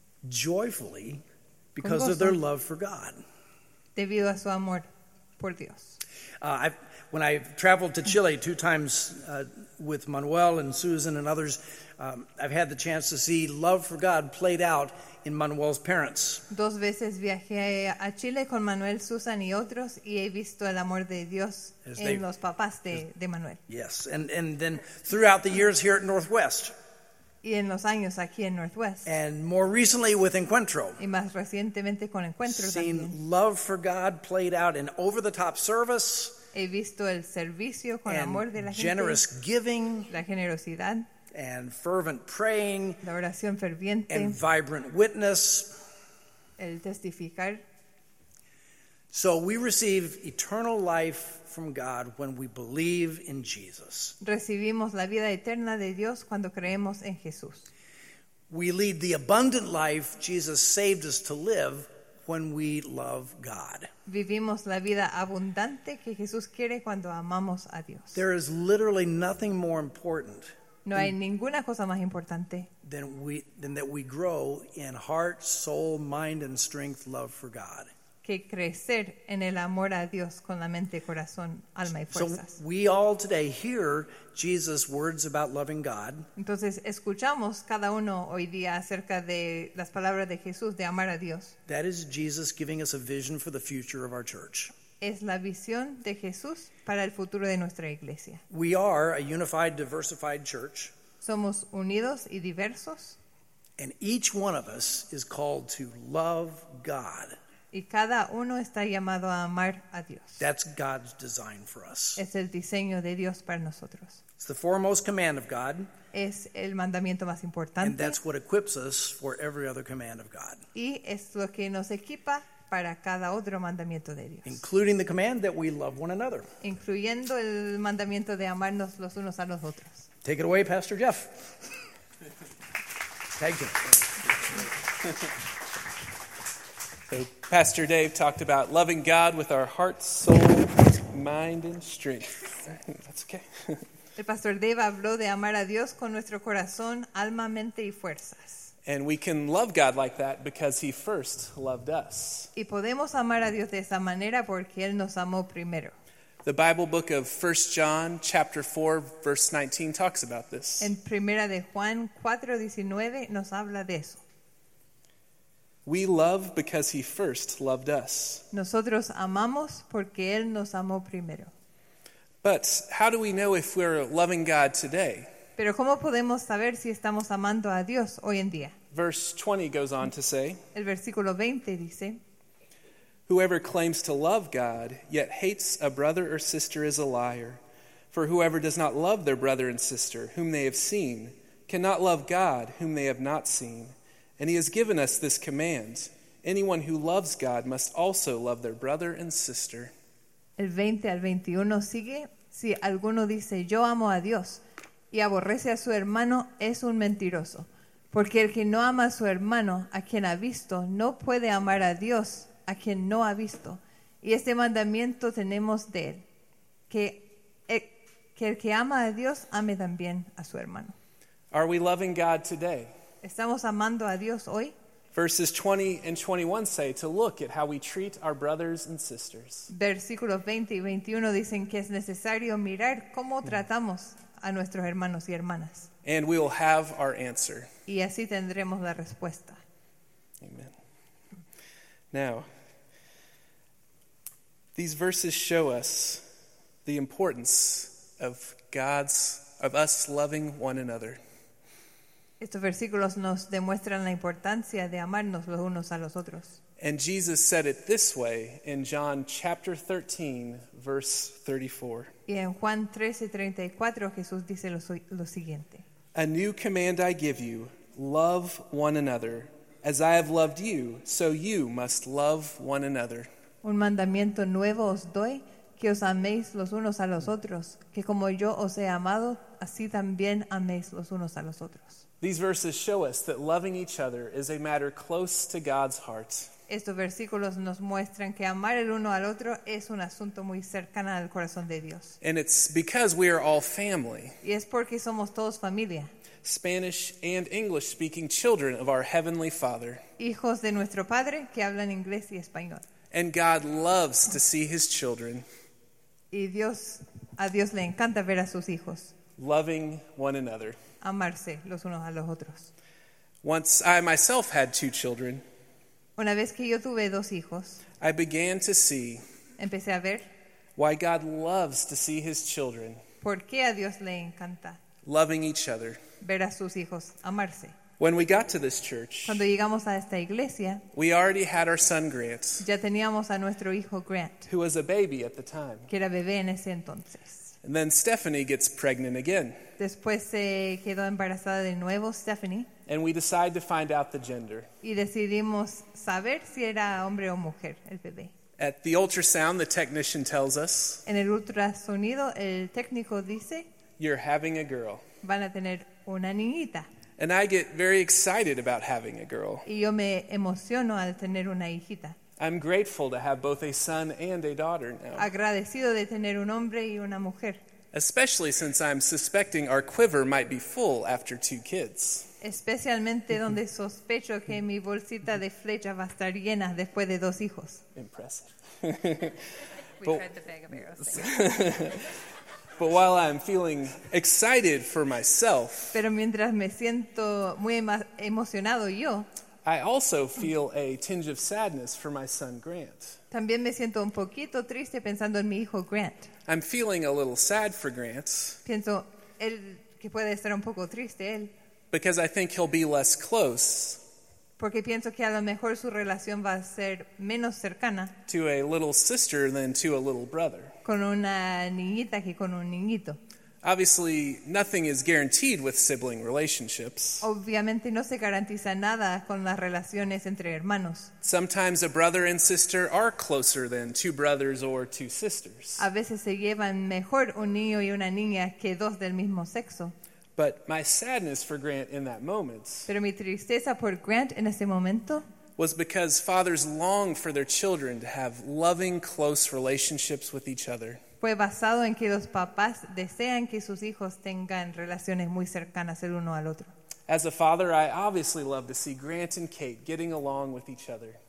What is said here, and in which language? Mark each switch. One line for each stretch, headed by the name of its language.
English: Joyfully, because of their love for God.
Spanish: Debido a su amor por Dios.
English: When I traveled to Chile two times with Manuel and Susan and others, I've had the chance to see love for God played out in Manuel's parents.
Spanish: Dos veces viajé a Chile con Manuel, Susan y otros y he visto el amor de Dios en los papás de Manuel.
English: Yes, and then throughout the years here at Northwest.
Spanish: Y en los años aquí en Northwest.
English: And more recently with Encuentro.
Spanish: Y más recientemente con Encuentro también.
English: Seen love for God played out in over the top service.
Spanish: He visto el servicio con el amor de la gente.
English: Generous giving.
Spanish: La generosidad.
English: And fervent praying,
Spanish: la oración ferviente,
English: and vibrant witness,
Spanish: el testificar.
English: So we receive eternal life from God when we believe in Jesus.
Spanish: Recibimos la vida eterna de Dios cuando creemos en Jesús.
English: We lead the abundant life Jesus saved us to live when we love God.
Spanish: Vivimos la vida abundante que Jesús quiere cuando amamos a Dios.
English: There is literally nothing more important.
Spanish: No hay ninguna cosa más importante
English: than that we grow in heart, soul, mind, and strength love for God.
Spanish: Que crecer en el amor a Dios con la mente, corazón, alma y fuerzas.
English: So we all today hear Jesus' words about loving God.
Spanish: Entonces escuchamos cada uno hoy día acerca de las palabras de Jesús de amar a Dios.
English: That is Jesus giving us a vision for the future of our church.
Spanish: Es la visión de Jesús para el futuro de nuestra iglesia.
English: We are a unified, diversified church.
Spanish: Somos unidos y diversos.
English: And each one of us is called to love God.
Spanish: Y cada uno está llamado a amar a Dios.
English: That's God's design for us.
Spanish: Es el diseño de Dios para nosotros.
English: It's the foremost command of God.
Spanish: Es el mandamiento más importante.
English: And that's what equips us for every other command of God.
Spanish: Y es lo que nos equipa para cada otro mandamiento de Dios.
English: Including the command that we love one another.
Spanish: Incluyendo el mandamiento de amarnos los unos a los otros.
English: Take it away, Pastor Jeff. Thank you. So Pastor Dave talked about loving God with our heart, soul, mind, and strength. That's okay.
Spanish: El Pastor Dave habló de amar a Dios con nuestro corazón, alma, mente, y fuerzas.
English: And we can love God like that because he first loved us.
Spanish: Y podemos amar a Dios de esa manera porque él nos amó primero.
English: The Bible book of 1 John chapter 4 verse 19 talks about this.
Spanish: En Primera de Juan 4:19 nos habla de eso.
English: We love because he first loved us.
Spanish: Nosotros amamos porque él nos amó primero.
English: But how do we know if we're loving God today?
Spanish: Pero ¿cómo podemos saber si estamos amando a Dios hoy en día?
English: Verse 20 goes on to say.
Spanish: El versículo 20 dice.
English: Whoever claims to love God yet hates a brother or sister is a liar. For whoever does not love their brother and sister whom they have seen cannot love God whom they have not seen. And he has given us this command. Anyone who loves God must also love their brother and sister.
Spanish: El 20 al 21 sigue. Si alguno dice yo amo a Dios y aborrece a su hermano es un mentiroso. Porque el que no ama a su hermano a quien ha visto no puede amar a Dios a quien no ha visto. Y este mandamiento tenemos de él. Que el que ama a Dios ame también a su hermano.
English: Are we loving God today?
Spanish: ¿Estamos amando a Dios hoy?
English: Verses 20 and 21 say to look at how we treat our brothers and sisters.
Spanish: Versículos 20 y 21 dicen que es necesario mirar cómo tratamos a nuestros hermanos y hermanas.
English: And we will have our answer.
Spanish: Y así tendremos la respuesta.
English: Amen. Now, these verses show us the importance of us loving one another.
Spanish: Estos versículos nos demuestran la importancia de amarnos los unos a los otros.
English: And Jesus said it this way in John chapter 13, verse 34.
Spanish: Y en Juan 13:34 Jesús dice lo siguiente.
English: A new command I give you, love one another. As I have loved you, so you must love one another.
Spanish: Un mandamiento nuevo os doy, que os améis los unos a los otros, que como yo os he amado, así también améis los unos a los otros.
English: These verses show us that loving each other is a matter close to God's heart.
Spanish: Estos versículos nos muestran que amar el uno al otro es un asunto muy cercano al corazón de Dios.
English: And it's because we are all family.
Spanish: Y es porque somos todos familia.
English: Spanish and English speaking children of our Heavenly Father.
Spanish: Hijos de nuestro Padre que hablan inglés y español.
English: And God loves to see his children.
Spanish: Y a Dios le encanta ver a sus hijos.
English: Loving one another.
Spanish: Amarse los unos a los otros.
English: Once I myself had two children.
Spanish: Una vez que yo tuve dos hijos.
English: I began to see.
Spanish: Empecé a ver.
English: Why God loves to see his children.
Spanish: ¿Por qué a Dios le encanta?
English: Loving each other.
Spanish: Ver a sus hijos, amarse.
English: When we got to this church.
Spanish: Cuando llegamos a esta iglesia.
English: We already had our son Grant.
Spanish: Ya teníamos a nuestro hijo Grant.
English: Who was a baby at the time.
Spanish: Que era bebé en ese entonces.
English: And then Stephanie gets pregnant again.
Spanish: Después se quedó embarazada de nuevo Stephanie.
English: And we decide to find out the gender.
Spanish: Y decidimos saber si era hombre o mujer el bebé.
English: At the ultrasound, the technician tells us.
Spanish: En el ultrasonido, el técnico dice.
English: You're having a girl.
Spanish: Van a tener una niñita.
English: And I get very excited about having a girl.
Spanish: Y yo me emociono al tener una hijita.
English: I'm grateful to have both a son and a daughter now.
Spanish: Agradecido de tener un hombre y una mujer.
English: Especially since I'm suspecting our quiver might be full after two kids.
Spanish: Especialmente donde sospecho que mi bolsita de flechas va a estar llena después de dos hijos.
English: Impressive. We tried the bag of arrows. But while I'm feeling excited for myself.
Spanish: Pero mientras me siento muy emocionado yo.
English: I also feel a tinge of sadness for my son Grant.
Spanish: También me siento un poquito triste pensando en mi hijo Grant.
English: I'm feeling a little sad for Grant.
Spanish: Pienso él que puede estar un poco triste él.
English: Because I think he'll be less close.
Spanish: Porque pienso que a lo mejor su relación va a ser menos cercana.
English: To a little sister than to a little brother.
Spanish: Con una niñita que con un niñito.
English: Obviously, nothing is guaranteed with sibling relationships.
Spanish: Obviamente no se garantiza nada con las relaciones entre hermanos.
English: Sometimes a brother and sister are closer than two brothers or two sisters.
Spanish: A veces se llevan mejor un niño y una niña que dos del mismo sexo.
English: But my sadness for Grant in that moment,
Spanish: pero mi tristeza por Grant en ese momento,
English: was because fathers long for their children to have loving, close relationships with each other.
Spanish: Fue basado en que los papás desean que sus hijos tengan relaciones muy cercanas el uno al otro.
English: As a father, I obviously love to see Grant and Kate getting along with each other.